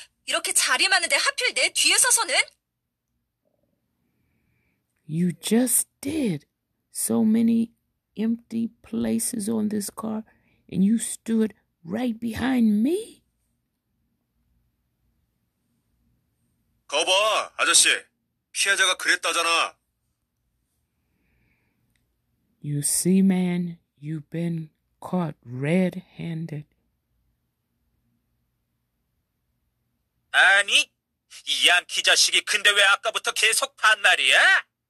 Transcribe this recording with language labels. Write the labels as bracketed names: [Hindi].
[Korean] 이렇게 자리 많은데 하필 내 뒤에 서서는? [English] You just did. So many empty places on this car, and you stood right behind me. [Korean] 거봐, 아저씨. 피해자가 그랬다잖아. [English] You see, man, you've been caught red-handed. [Korean] 아니, 이 양키 자식이 근데 왜 아까부터 계속 반말이야?